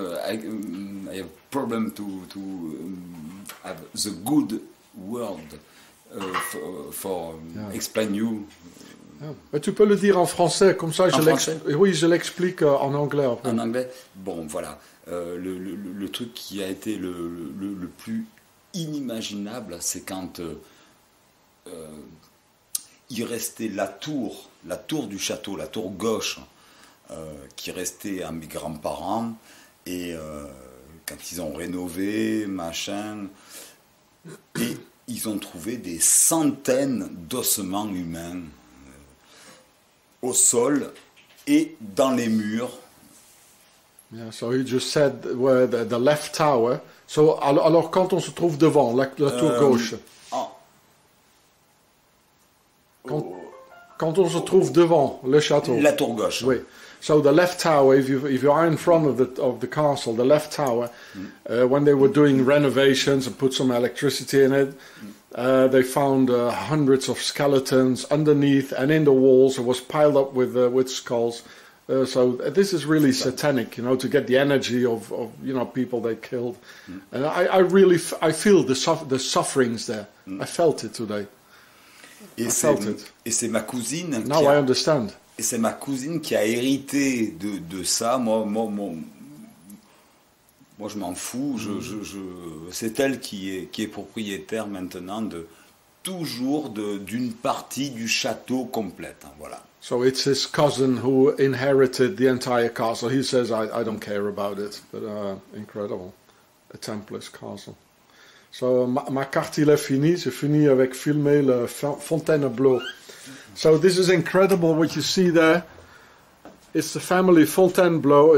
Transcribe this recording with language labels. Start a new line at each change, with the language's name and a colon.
English: I have problem to have the good word for explain you. Yeah.
French: Mais tu peux le dire en français, comme ça je l'explique. Oui, je l'explique en anglais. Après. En anglais. Bon, voilà. Le truc qui a été le plus inimaginable, c'est quand il restait la tour du château, la tour gauche, qui restait à mes grands-parents, et quand ils ont rénové, machin, et ils ont trouvé des centaines d'ossements humains au sol et dans les murs.
English: Yeah, so he just said where the left tower.
French: So alors quand on se trouve devant la tour gauche. Quand on se trouve devant le château. La tour gauche. Oui.
English: So the left tower, if you are in front of the castle, the left tower, when they were doing renovations and put some electricity in it, they found hundreds of skeletons underneath and in the walls. It was piled up with skulls. So this is really satanic, you know, to get the energy of you know, people they killed. Mm. And I really feel the sufferings there. Mm. I felt it today.
French: Et c'est ma cousine.
English: Now I understand.
French: Et c'est ma cousine qui a hérité de ça. Moi, je m'en fous. Je c'est elle qui est propriétaire maintenant d'une partie du château complète. Hein, voilà.
English: So it's his cousin who inherited the entire castle. He says I don't care about it, but incredible, a Templar's castle.
French: So ma carte est finie. J'ai fini avec filmer le Fontainebleau.
English: So this is incredible what you see there. It's the family Fontainebleau.